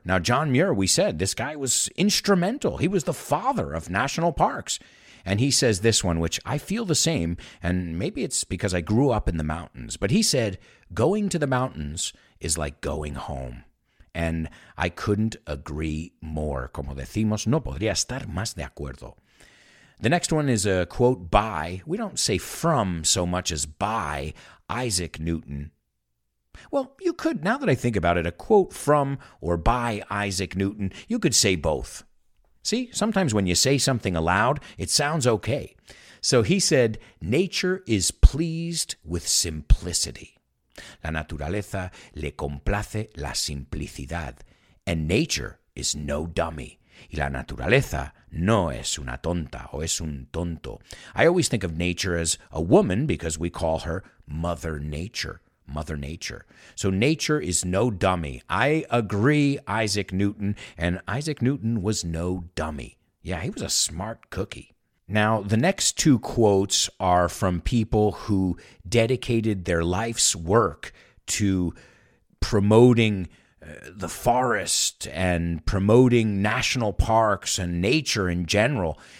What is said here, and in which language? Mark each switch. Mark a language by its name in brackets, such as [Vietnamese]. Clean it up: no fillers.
[English] Now, John Muir, we said this guy was instrumental. He was the father of national parks. And he says this one, which I feel the same. And maybe it's because I grew up in the mountains. But he said, "Going to the mountains is like going home." And I couldn't agree more. [Spanish] Como decimos, no podría estar más de acuerdo. [English] The next one is a quote by, we don't say from so much as by, Isaac Newton. Well, you could, now that I think about it, a quote from or by Isaac Newton, you could say both. See, sometimes when you say something aloud, it sounds okay. So he said, "Nature is pleased with simplicity." [Spanish] La naturaleza le complace la simplicidad. [English] And nature is no dummy. [Spanish] Y la naturaleza no es una tonta o es un tonto. [English] I always think of nature as a woman because we call her Mother Nature. Mother Nature. So nature is no dummy. I agree, Isaac Newton. And Isaac Newton was no dummy. Yeah, he was a smart cookie. Now, the next two quotes are from people who dedicated their life's work to promoting the forest and promoting national parks and nature in general.